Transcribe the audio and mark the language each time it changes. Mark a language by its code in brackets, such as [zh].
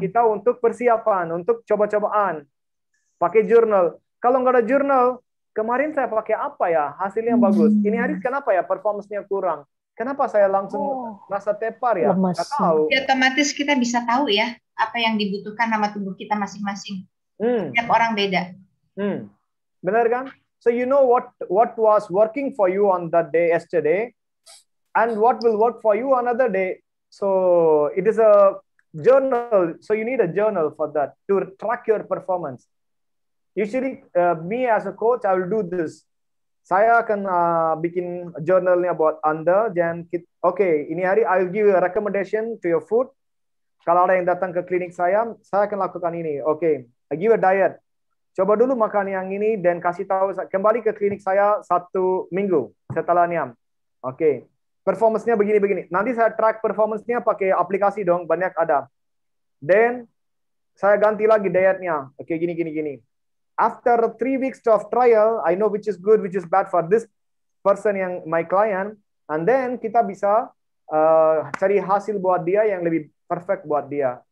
[id] Kita untuk persiapan, untuk coba-cobaan. Pakai jurnal. Kalau nggak ada jurnal, kemarin saya pakai apa ya, hasilnya bagus. Ini hari kenapa ya, performance-nya kurang. Kenapa saya langsung rasa tepar ya? Nggak tahu. Ya, otomatis kita bisa tahu ya, apa yang dibutuhkan sama tubuh kita masing-masing. Setiap orang beda. Benar kan? [en] So you know what was working for you on that day yesterday, and what will work for you another day. So it is a journal. So you need a journal for that to track your performance. Usually, me as a coach, I will do this. [id] Saya akan bikin journalnya buat Anda. Dan ini hari [en] I will give you a recommendation to your food. [id] Kalau ada yang datang ke klinik saya akan lakukan ini. [en] I give a diet. [id] Coba dulu makan yang ini dan kasih tahu. Kembali ke klinik saya satu minggu setelahnya. Performance-nya begini-begini. Nanti saya track performance-nya pakai aplikasi dong, banyak ada. Then saya ganti lagi dietnya. Gini. [en] After 3 weeks of trial, I know which is good, which is bad for this person [id] yang [en] my client. [id] And then kita bisa cari hasil buat dia yang lebih perfect buat dia.